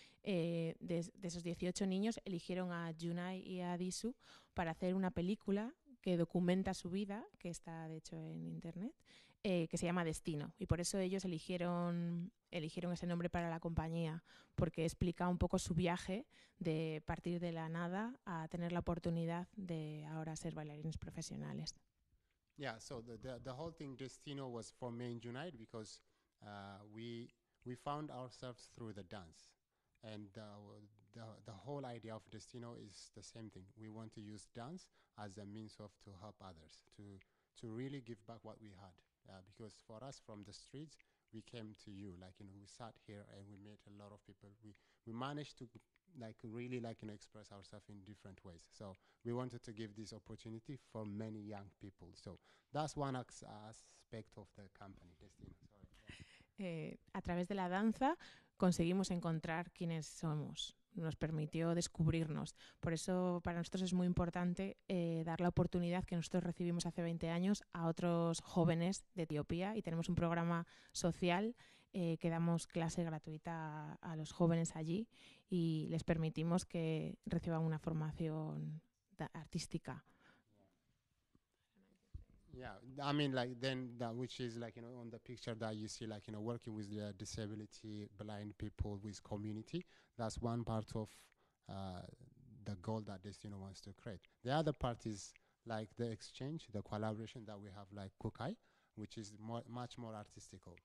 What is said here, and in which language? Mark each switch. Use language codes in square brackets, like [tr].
[es] De esos 18 niños eligieron a Junaid y a Disu para hacer una película que documenta su vida, que está de hecho en internet, que se llama Destino. Y por eso ellos eligieron ese nombre para la compañía, porque explica un poco su viaje de partir de la nada a tener la oportunidad de ahora ser bailarines profesionales. [en] Yeah, so the whole thing Destino was for me and Junaid because we found ourselves through the dance. And the whole idea of Destino is the same thing. We want to use dance as a means of to help others, to really give back what we had. Because for us from the streets, we came to you, like, you know, we sat here and we met a lot of people. We managed to express ourselves in different ways. So we wanted to give this opportunity for many young people. So that's one aspect of the company, Destino. Sorry. [es] A través de la danza conseguimos encontrar quiénes somos. Nos permitió descubrirnos. Por eso para nosotros es muy importante dar la oportunidad que nosotros recibimos hace 20 años a otros jóvenes de Etiopía y tenemos un programa social que damos clase gratuita a los jóvenes allí y les permitimos que reciban una formación artística. [en] Yeah, I mean, like, then that which is, like, you know, on the picture that you see, like, you know, working with the disability, blind people, with community, that's one part of the goal that Destino wants to create. The other part is, like, the exchange, the collaboration that we have, like, Kukai, which is much more artistical.